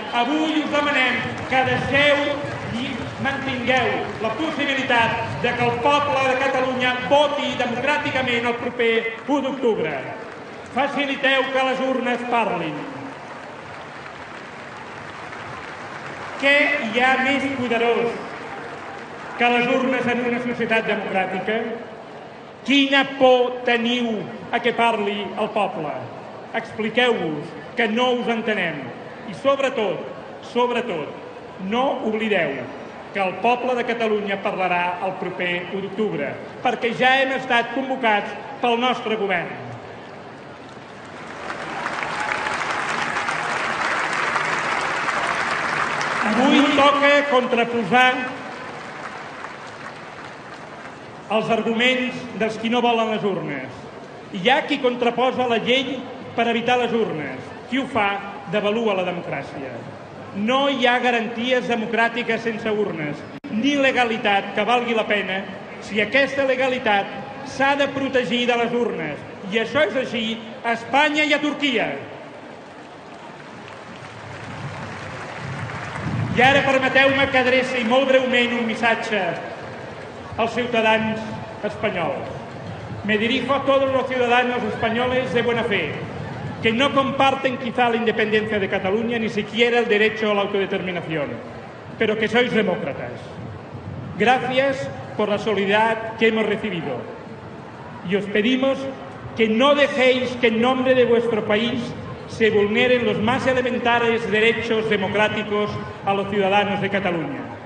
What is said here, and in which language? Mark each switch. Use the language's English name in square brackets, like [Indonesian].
[Catalan] Avui us demanem que deixeu i mantingueu la possibilitat de que el poble de Catalunya voti democràticament el proper 1 d'octubre. Faciliteu que les urnes parlin. Què hi ha més poderós que les urnes en una societat democràtica? Quina por teniu a que parli el poble? Expliqueu-vos que no us entenem. I sobretot, no oblideu que el poble de Catalunya parlarà el proper 1 d'octubre, perquè ja hem estat convocats pel nostre govern. Avui toca contraposar els arguments dels qui no volen les urnes. Hi ha qui contraposa la llei per evitar les urnes. Qui ho fa, devalua la democràcia. No hi ha garanties democràtiques sense urnes, ni legalitat que valgui la pena si aquesta legalitat s'ha de protegir de les urnes. I això és així a Espanya i a Turquia. I ara permeteu-me que adreci molt breument un missatge als ciutadans espanyols. [Spanish] Me dirijo a todos los ciudadanos españoles de buena fe. que no comparten quizá la independencia de Cataluña ni siquiera el derecho a la autodeterminación, pero que sois demócratas. Gracias por la solidaridad que hemos recibido. Y os pedimos que no dejéis que en nombre de vuestro país se vulneren los más elementales derechos democráticos a los ciudadanos de Cataluña.